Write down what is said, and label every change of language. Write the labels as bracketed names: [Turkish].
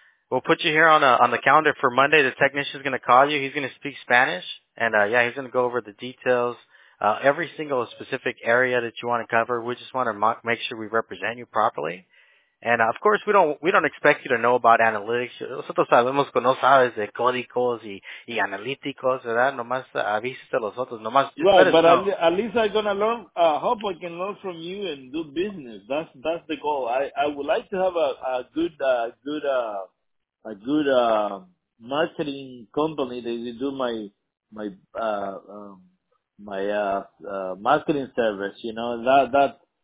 [English] We'll put you here on the calendar for Monday. The technician's going to call you. He's going to speak Spanish. And, he's going to go over the details Every single specific area that you want to cover, we just want to make sure we represent you properly. And of course, we don't expect you to know about analytics. [Spanish] Nosotros sabemos que no sabes de códigos y analíticos, ¿verdad? Nomás avisas a los otros, nomás. [English] Right, but at least I'm gonna learn. Hope I can learn from you and do business. That's the goal. I would like to have a good marketing company that will do my marketing service. You know that.